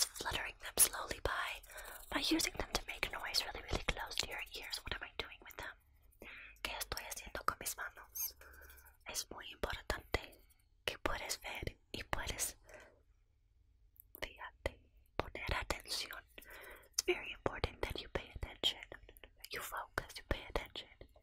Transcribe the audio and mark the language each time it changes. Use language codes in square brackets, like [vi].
[en] you're using them to make noise really, really close to your ears. What am I doing with them? [es] ¿Qué estoy haciendo con mis manos? Es muy importante que puedes ver y puedes, fíjate, poner atención. [en] It's very important that you pay attention, you focus, you pay attention.